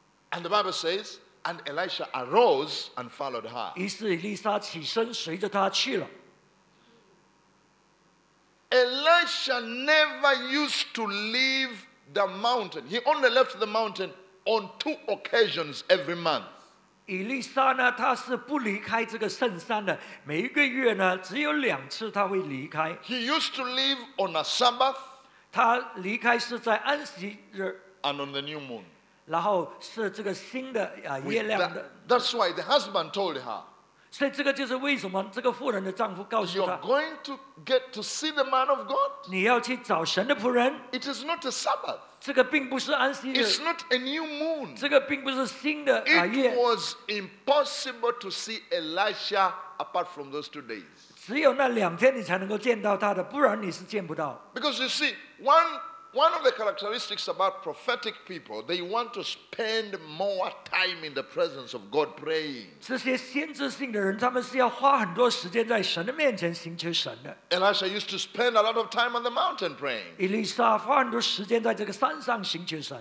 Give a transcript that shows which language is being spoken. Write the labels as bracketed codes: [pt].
[en] And the Bible says, And Elisha arose and followed her. [zh] 于是以利沙起身随着他去了。Elisha [en] never used to leave the mountain. He only left the mountain on two occasions every month. [zh] 以利沙呢，他是不离开这个圣山的。每一个月呢，只有两次他会离开。 [en] He used to leave on a Sabbath. [zh] 他离开是在安息日。 [en] And on the new moon. [zh] 然后是这个新的, [en] that's why the husband told her. [zh] 所以这个就是为什么这个妇人的丈夫告诉她, [en] You're going to get to see the man of God. [zh] 你要去找神的仆人。 [en] It is not a Sabbath. [zh] 这个并不是安息日。 [en] It's not a new moon. [zh] 这个并不是新的, [en] It was impossible to see Elisha apart from those 2 days. [zh] 只有那两天你才能够见到他的, [en] Because you see, One of the characteristics about prophetic people, they want to spend more time in the presence of God praying. [zh] 这些先知性的人，他们是要花很多时间在神的面前寻求神的。 [en] Elisha used to spend a lot of time on the mountain praying. [zh] 以利沙花很多时间在这个山上寻求神。